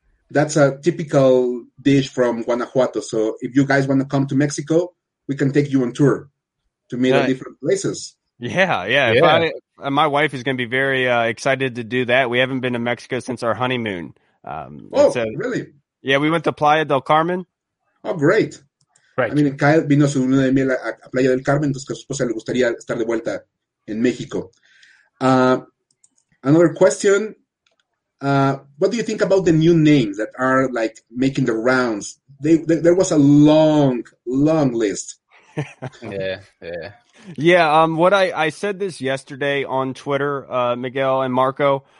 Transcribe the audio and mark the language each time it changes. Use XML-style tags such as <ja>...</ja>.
<en>That's a typical dish from Guanajuato. So if you guys want to come to Mexico, we can take you on tour to meet at different places. Yeah. My wife is going to be very excited to do that. We haven't been to Mexico since our honeymoon. Really? Yeah, we went to Playa del Carmen. Oh, great. Right. I mean,</en> <es>Kyle vino su luna de miel a Playa del Carmen, entonces su esposa le gustaría estar de vuelta en México.</es> <en>Another question. What do you think about the new names that are, like, making the rounds? There was a long, long list. Yeah. Yeah, what I said this yesterday on Twitter, Miguel and Marco.</en>